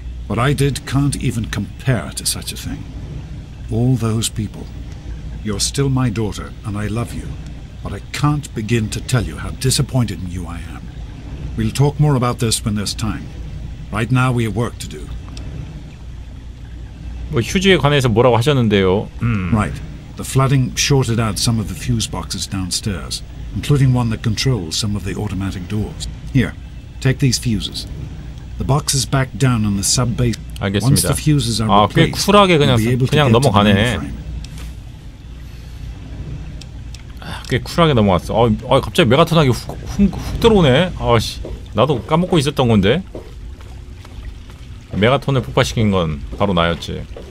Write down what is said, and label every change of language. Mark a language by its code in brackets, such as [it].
[en] What I did can't even compare to such a thing. All those people. You're still my daughter, and I love you. But I can't begin to tell you how disappointed in you I am. We'll talk more about this when there's time. Right now we have work to do. [ko] 뭐 휴지에 관해서 뭐라고 하셨는데요? [en] Right. The flooding shorted out some of the fuse boxes downstairs, including one that controls some of the automatic doors. Here, take these fuses. The box is back down on the sub base. [ko] 알겠습니다. 아, 꽤 쿨하게 그냥 넘어가네. 아, 꽤 쿨하게 넘어갔어. 갑자기 메가톤하게 훅 들어오네. 아씨, 나도 까먹고 있었던 건데. 메가톤을 폭파시킨 건 바로 나였지.